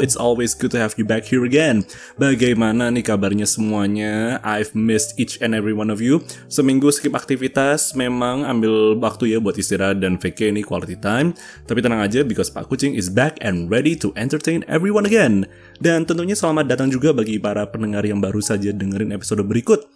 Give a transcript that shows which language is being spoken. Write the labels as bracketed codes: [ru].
[en] It's always good to have you back here again. [id] Bagaimana nih kabarnya semuanya? [en] I've missed each and every one of you. [id] Seminggu skip aktivitas, memang ambil waktu ya buat istirahat dan VK ini quality time. Tapi tenang aja, [en] because Pak Kucing is back and ready to entertain everyone again. [id] Dan tentunya selamat datang juga bagi para pendengar yang baru saja dengerin episode berikut.